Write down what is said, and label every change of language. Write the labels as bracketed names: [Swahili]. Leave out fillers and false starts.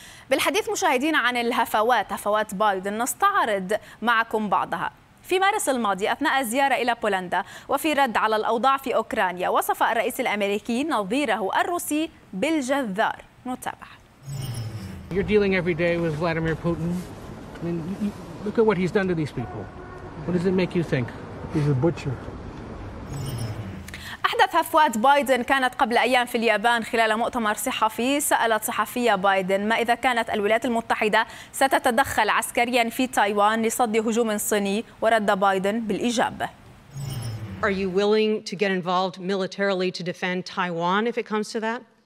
[Arabic] بالحديث مشاهدين عن هفوات بايدن، نستعرض معكم بعضها. في مارس الماضي أثناء الزيارة إلى بولندا وفي رد على الأوضاع في أوكرانيا، وصف الرئيس الأمريكي نظيره الروسي بالجذار. نتابع. [English] You're dealing every day with Vladimir Putin. I mean, look at what he's done to these people. What does it make you think? He's a butcher. [Arabic] أحدث هفوات بايدن كانت قبل أيام في اليابان خلال مؤتمر صحفي. سألت صحفية بايدن ما إذا كانت الولايات المتحدة ستتدخل عسكريا في تايوان لصد هجوم صيني، ورد بايدن بالإجابة. [English] Are you willing to get involved militarily to defend Taiwan if it comes to that?